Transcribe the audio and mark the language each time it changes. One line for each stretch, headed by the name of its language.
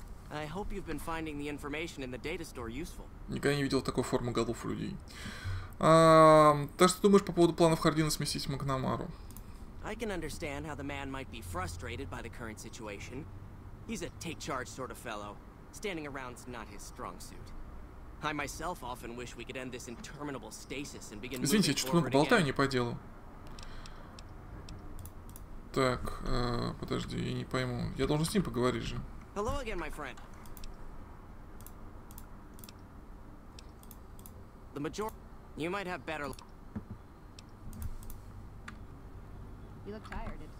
English: I hope you've been finding the information in the data store useful.
Russian: Никогда не видел такой формы голов у людей. Так что думаешь по поводу планов Хардина сместить Макнамару?
English: I can understand how the man might be frustrated by the current situation. He's a take charge sort of fellow. Standing around's not his strong suit. I myself often wish we could end this interminable stasis and begin.
Russian: Извините, я что-то много болтаю, не по делу. Так, подожди, я не пойму. Я должен с ним поговорить же.
English: Hello again, my friend. The major. You might have better. You look tired.